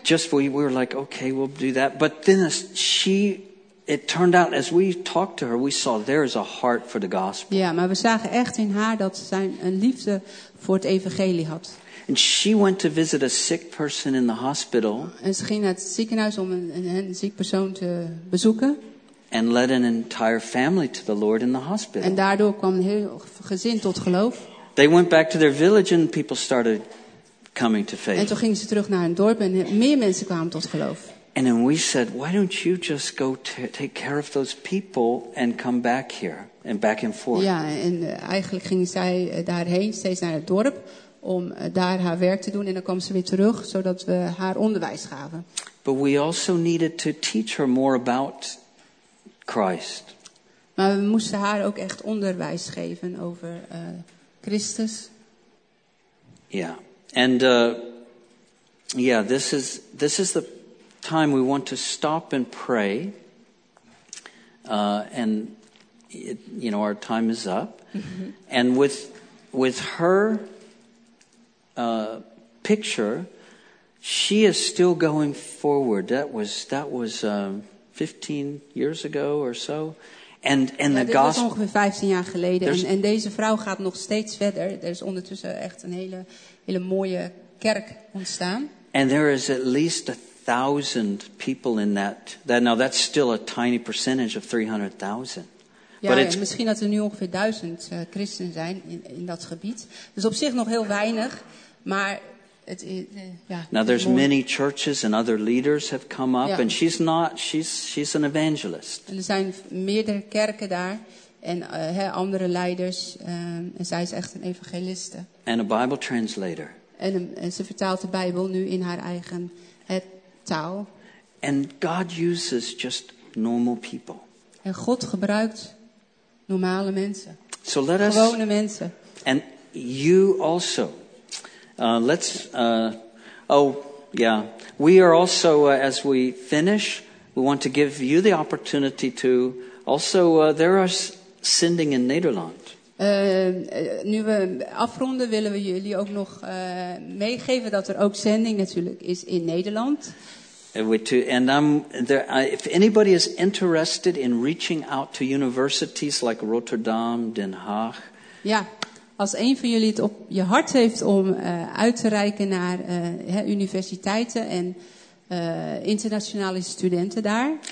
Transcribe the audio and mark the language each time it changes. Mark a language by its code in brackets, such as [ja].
[en] Just we were like, okay, we'll do that. But then it turned out as we talked to her, we saw there is a heart for the gospel. [nl] Ja, maar we zagen echt in haar dat zij een liefde voor het evangelie had. [en] And she went to visit a sick person in the hospital. [nl] En ze ging naar het ziekenhuis om een ziek persoon te bezoeken. [en] And led an entire family to the Lord in the hospital. [nl] En daardoor kwam een heel gezin tot geloof. [en] They went back to their village and people started coming to faith. [nl] En toen gingen ze terug naar hun dorp en meer mensen kwamen tot geloof. [en] And then we said, why don't you just go take care of those people and come back here and back and forth. [nl] Ja, en eigenlijk gingen zij daarheen steeds naar het dorp om daar haar werk te doen. En dan kwam ze weer terug, zodat we haar onderwijs gaven. [en] But we also needed to teach her more about Christ. [nl] Maar we moesten haar ook echt onderwijs geven over Christus. [en] Ja, en ja, this is the time we want to stop and pray. And it, you know, our time is up. Mm-hmm. And with her picture, she is still going forward. That was 15 years ago or so. And ja, the gospel. [nl] Dat was ongeveer 15 jaar geleden. En deze vrouw gaat nog steeds verder. Er is ondertussen echt een hele mooie kerk ontstaan. [en] And there is at least 1,000 people in that. Now that's still a tiny percentage of 300,000. [nl] Ja, [en] but it's, [nl] misschien dat er nu ongeveer 1,000 christen zijn in dat gebied. Dus op zich nog heel weinig, maar het is. [en] Now there's many churches and other leaders have come up, ja. And she's an evangelist. [nl] En er zijn meerdere kerken daar en andere leiders. En zij is echt een evangeliste. [en] And a Bible translator. [nl] En ze vertaalt de Bijbel nu in haar eigen taal. [en] And God uses just normal people. [nl] En God gebruikt normale mensen. [en] So let us, [nl] gewone mensen. [en] And you also. Let's. Oh, yeah. We are also, as we finish, we want to give you the opportunity to also. There are sending in Nederland. [nl] Nu we afronden, willen we jullie ook nog meegeven dat er ook zending natuurlijk is in Nederland. [en] And I'm there, if anybody is interested in reaching out to universities like Rotterdam, Den Haag. [nl] Ja, als een van jullie het op je hart heeft om uit te reiken naar universiteiten en internationale studenten daar.